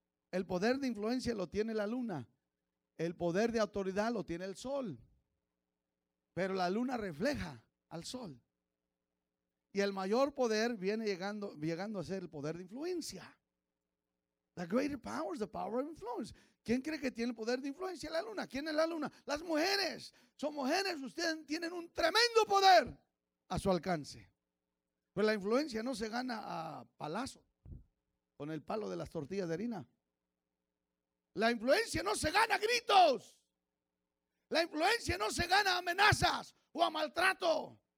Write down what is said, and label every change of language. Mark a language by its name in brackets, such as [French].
[Spanish] El poder de influencia lo tiene la luna. El poder de autoridad lo tiene el sol. Pero la luna refleja al sol. Y el mayor poder viene llegando a ser el poder de influencia. [English] The greater power is the power of influence. [Spanish] ¿Quién cree que tiene el poder de influencia? La luna. ¿Quién es la luna? Las mujeres. Son mujeres. Ustedes tienen un tremendo poder a su alcance. Pero la influencia no se gana a palazo con el palo de las tortillas de harina. La influencia no se gana a gritos. La influencia no se gana a amenazas o a maltrato.